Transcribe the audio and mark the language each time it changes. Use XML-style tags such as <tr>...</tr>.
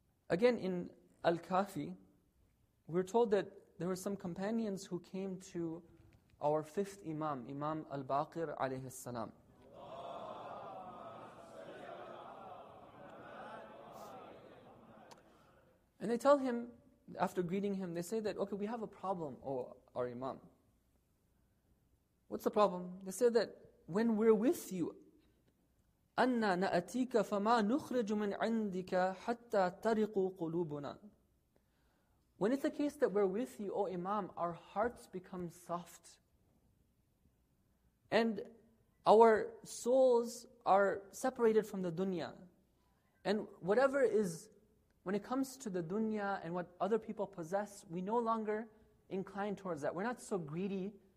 <en>Again, in Al-Kafi, we're told that there were some companions who came to our fifth Imam, Imam Al-Baqir alayhi salam. And they tell him, after greeting him, they say that, okay, we have a problem, oh, our imam. What's the problem? They say that when we're with you,</en> <ar>أَنَّا نَأَتِيكَ فَمَا نُخْرِجُ مِنْ عِنْدِكَ حَتَّى تَرِقُوا قُلُوبُنَا.</ar> <en>When it's the case that we're with you, O Imam, our hearts become soft. And our souls are separated from the dunya. And whatever is, when it comes to the dunya and what other people possess, we no longer incline towards that. We're not so greedy.</en>